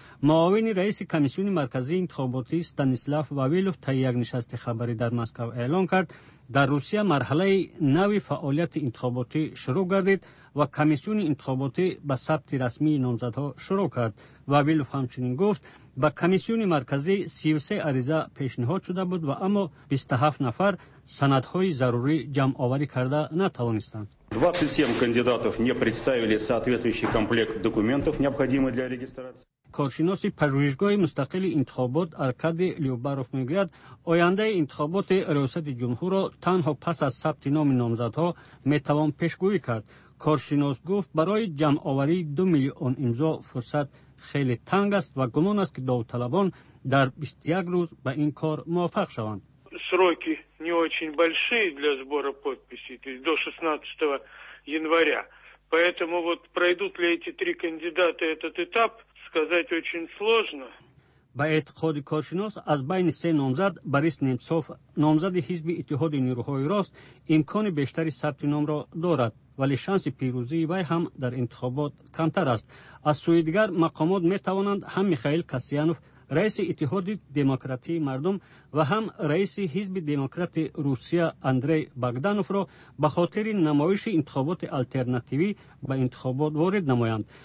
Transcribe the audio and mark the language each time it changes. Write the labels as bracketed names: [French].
[Persian] معاون رئیس کمیسیون مرکزی انتخاباتی استانیسلاف واویلوف تا یک نشست خبری در مسکو اعلان کرد در روسیه مرحله نوی فعالیت انتخاباتی شروع گردید و کمیسیون انتخاباتی به ثبت رسمی نامزدها شروع کرد. واویلوف همچنین گفت به کمیسیون مرکزی 33 عریضه پیشنهاد شده بود و اما 27 نفر سندهای ضروری جمع آوری کرده نتوانستند. [Russian] 27 кандидатов не представили соответствующий комплект документов, необходимый для регистрации. [Persian] کارشناسی پژوهشگاه مستقل انتخابات آرکادی لیوباروف میگوید آینده انتخابات ریاست جمهور را تنها پس از ثبت نام نامزدها میتوان پیشگویی کرد. کارشناس گفت برای جمع آوری 2 میلیون امضا فرصت خیلی تنگ است و گمان است که داوطلبان در 21 روز به این کار موفق شوند. [Russian] сроки не очень большие для сбора подписей, то есть до 16 января. Поэтому вот пройдут ли эти 3 кандидата этот этап, сказать очень сложно. [Persian] به اعتقاد کارشناس از بین 3 نامزد بریس نمتصوف نامزد حزب اتحاد نیروهای راست امکان بیشتری ثبت نام را دارد ولی شانس پیروزی وی هم در انتخابات کمتر است. از سوی دیگر مقامات می توانند هم میخائیل کاسیانوف رئیس اتحاد دموکراتی مردم و هم رئیس حزب دموکراتی روسیه اندری باگدانوف را به خاطر نمایش انتخابات الترناتیوی به انتخابات وارد نمایند.